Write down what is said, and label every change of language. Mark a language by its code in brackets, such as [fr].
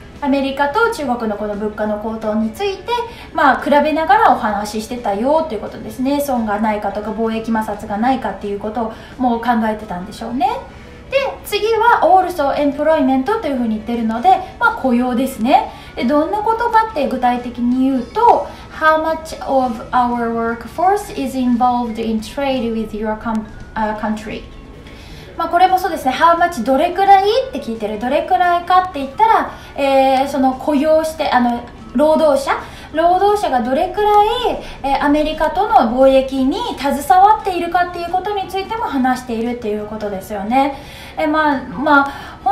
[ja] アメリカと中国のこの物価の高騰について、まあ比べながらお話ししてたよということですね。損がないかとか貿易摩擦がないかっていうことをもう考えてたんでしょうね。で次は [en] also employment [ja] というふうに言ってるので、まあ雇用ですね。でどんなことかって具体的に言うと、 [en] How much of our workforce is involved in trade with your country? [ja] まあ、これもそうですね、 [en] How much [ja] どれくらいって聞いてる、どれくらいかって言ったら、その雇用して労働者がどれくらい、アメリカとの貿易に携わっているかっていうことについても話しているっていうことですよね。まあ、